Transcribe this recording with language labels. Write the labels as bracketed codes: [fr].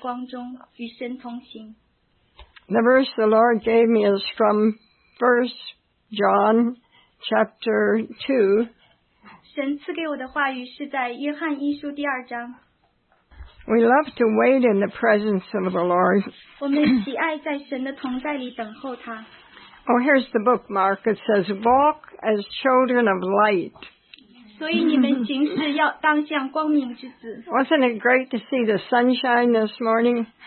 [zh] 昨天我们也提到在营地的2022年的书签上也提到要行在光中与神同行。 [en] The verse the Lord gave me is from 1 John chapter 2. [zh] 神赐给我的话语是在约翰一书第二章。 [en] We love to wait in the presence of the Lord. [zh] 我们喜爱在神的同在里等候他。 [en] Oh, here's the bookmark. It says, walk as children of light. Wasn't it great to see the sunshine this morning?